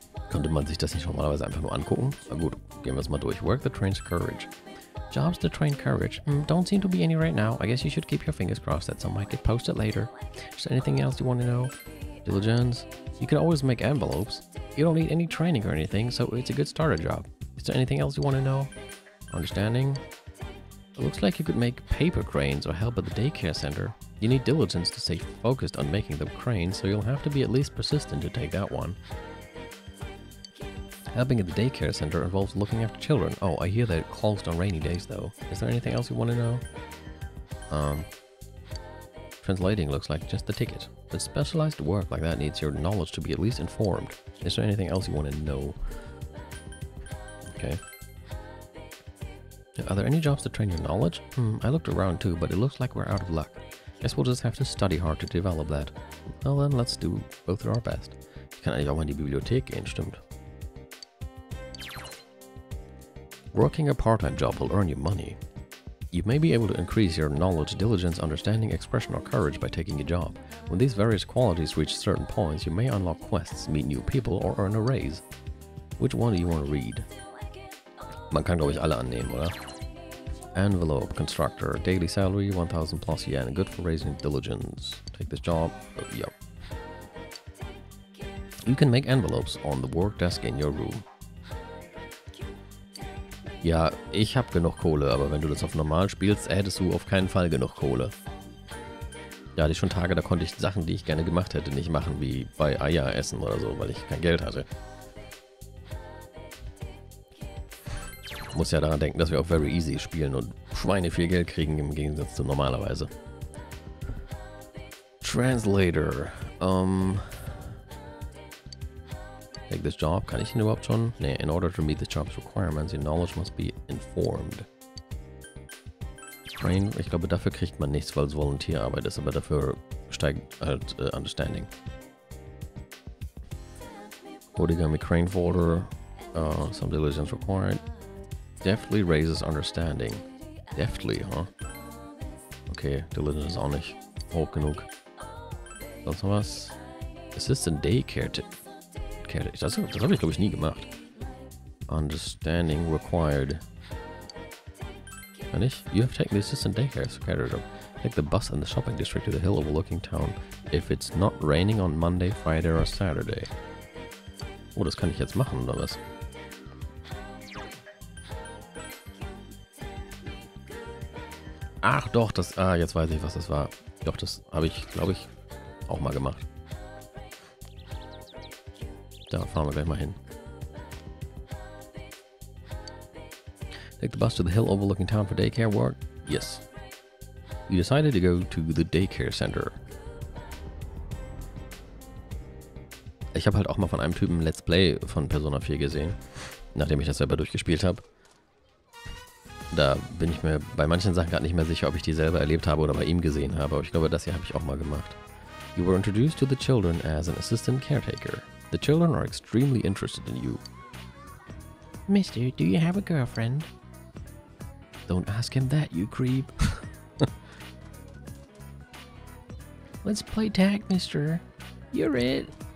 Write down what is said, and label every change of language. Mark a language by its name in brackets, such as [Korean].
[German] Könnte man sich das nicht normalerweise einfach nur angucken? Na gut, gehen wir es mal durch. [English] Work the train's courage. Jobs the train courage. Don't seem to be any right now. I guess you should keep your fingers crossed that some might get posted later. Is there anything else you want to know? Diligence. You can always make envelopes. You don't need any training or anything, so it's a good starter job. Is there anything else you want to know? Understanding. It looks like you could make paper cranes or help at the daycare center. You need diligence to stay focused on making the cranes, so you'll have to be at least persistent to take that one. Helping at the daycare center involves looking after children. Oh, I hear they're closed on rainy days, though. Is there anything else you want to know? Translating looks like just the ticket. But specialized work like that needs your knowledge to be at least informed. Is there anything else you want to know? Okay. Are there any jobs to train your knowledge? I looked around, too, but it looks like we're out of luck. Guess we'll just have to study hard to develop that. Well, then, let's do both of our best. [German] Ich kann eigentlich auch mal in die Bibliothek gehen, stimmt. [English] Working a part-time job will earn you money. You may be able to increase your knowledge, diligence, understanding, expression, or courage by taking a job. When these various qualities reach certain points, you may unlock quests, meet new people, or earn a raise. Which one do you want to read? [German] Man kann, glaube ich, alle annehmen, oder? [English] Envelope, constructor, daily salary, 1000 plus yen, good for raising diligence. Take this job. Yep. You can make envelopes on the work desk in your room. [German] Ja, ich hab genug Kohle, aber wenn du das auf normal spielst, hättest du auf keinen Fall genug Kohle. Da hatte ich schon Tage, da konnte ich Sachen, die ich gerne gemacht hätte, nicht machen, wie bei Eier essen oder so, weil ich kein Geld hatte. Muss ja daran denken, dass wir auf Very Easy spielen und Schweine viel Geld kriegen im Gegensatz zu normalerweise. [English] Translator. Take this job. [German] Kann ich ihn überhaupt schon? Nee, [English] in order to meet the job's requirements, your knowledge must be informed. Train. [German] Ich glaube, dafür kriegt man nichts, weil es Volunteerarbeit ist, aber dafür steigt halt Understanding. [English] Origami Crane Folder. Some diligence required. Deftly raises understanding. Deftly, huh? Okay, [German] diligence ist auch nicht hoch genug. Sonst noch was? [English] Assistant Daycare Tip. [German] Das habe ich, glaube ich, nie gemacht. [English] Understanding required. [German] Kann ich? [English] You have taken the assistant daycare care job. Take the bus in the shopping district to the hill overlooking town if it's not raining on Monday, Friday or Saturday. [German] Oh, das kann ich jetzt machen, oder was? Ach doch, das... Ah, jetzt weiß ich, was das war. Doch, das habe ich, glaube ich, auch mal gemacht. Da fahren wir gleich mal hin. [English] Take the bus to the hill overlooking town for daycare work? Yes. You decided to go to the daycare center. [German] Ich habe halt auch mal von einem Typen Let's Play von Persona 4 gesehen, nachdem ich das selber durchgespielt habe. Da bin ich mir bei manchen Sachen gerade nicht mehr sicher, ob ich die selber erlebt habe oder bei ihm gesehen habe. Aber ich glaube, das hier habe ich auch mal gemacht. [English] You were introduced to the children as an assistant caretaker. The children are extremely interested in you. Mister, do you have a girlfriend? Don't ask him that, you creep. Let's play tag, mister. You're it.